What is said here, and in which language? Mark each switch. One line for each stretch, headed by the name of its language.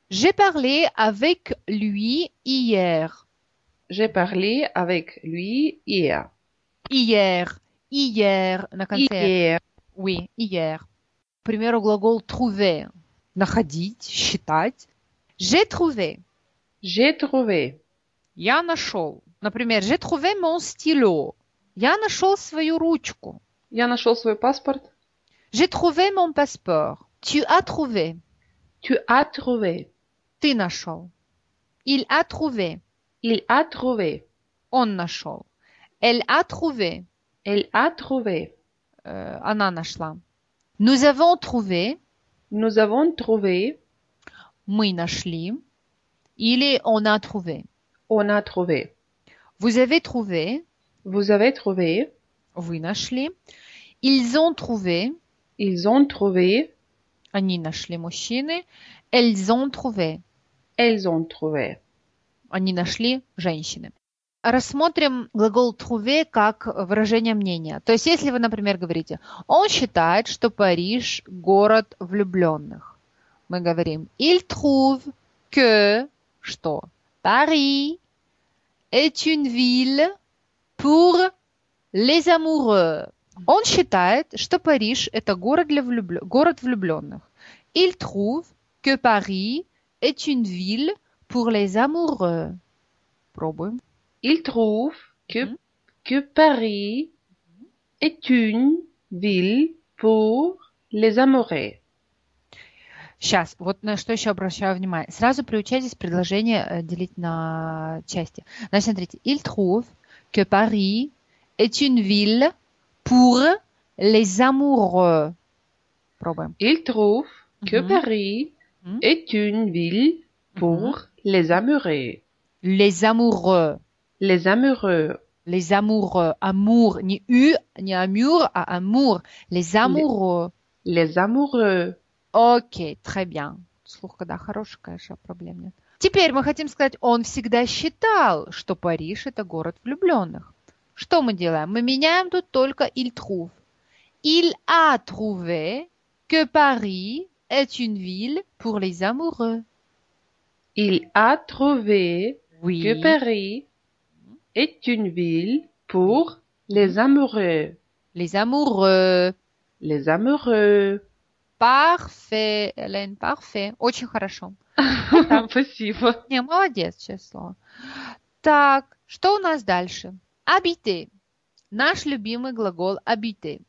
French: «J'ai parlé avec lui hier». «J'ai parlé avec lui hier».
Russian: «Hier», «hier» на конце.
French: «Hier». Oui, «hier».
Russian: К примеру, глагол «trouver» – находить, считать.
French: «J'ai trouvé». «J'ai trouvé».
Russian: «Я нашел». Например,
French: «j'ai trouvé mon stylo».
Russian: «Я нашел свою ручку». «Я нашел свой паспорт».
French: «J'ai trouvé mon passeport». «Tu as trouvé». «Tu as trouvé».
Russian: «Ты нашел».
French: «Il a trouvé». «Il a trouvé».
Russian: «Он нашел».
French: «Elle a trouvé». «Elle a trouvé».
Russian: «Она нашла».
French: «Nous avons trouvé». «Nous avons trouvé».
Russian: «Мы нашли». Или
French: «on a trouvé». «On a trouvé». Vous avez trouvé. Vous avez trouvé.
Russian: Вы нашли.
French: Ils ont trouvé. Ils ont trouvé.
Russian: Они нашли, мужчины.
French: Elles ont trouvé. Elles ont trouvé.
Russian: Они нашли, женщины. Рассмотрим глагол trouvé как выражение мнения. То есть, если вы, например, говорите, он считает, что Париж – город влюбленных. Мы говорим,
French: il trouve que,
Russian: что, Paris.
French: Est une ville pour les amoureux.
Russian: Он считает, что Париж – это город для город влюбленных.
French: Il trouve que Paris est une ville pour les amoureux.
Russian: Пробуем.
French: Il trouve que, que Paris est une ville pour les amoureux.
Russian: Сейчас, вот на что еще обращаю внимание. Сразу приучайтесь предложение делить на части. Значит, смотрите.
French: Il trouve que Paris est une ville pour les amoureux.
Russian: Пробуем.
French: Il trouve que Paris est une ville pour les amoureux. Les amoureux. Les amoureux. Les amoureux. Amour. Ni U, ni amour, à amour. Les amoureux. Les amoureux.
Russian: Окей,
French: très bien.
Russian: Слух, когда хороший, конечно, проблем нет. Теперь мы хотим сказать, он всегда считал, что Париж – это город влюбленных. Что мы делаем? Мы меняем тут только
French: «il trouve». «Il a trouvé que Paris est une ville pour les amoureux». «Il a trouvé oui. que Paris est une ville pour les amoureux». «Les amoureux». «Les amoureux». Parfait, Hélène, parfait.
Russian: Очень хорошо. Спасибо. Не, молодец, честное слово. Так, что у нас дальше? Habiter. Наш любимый глагол habiter.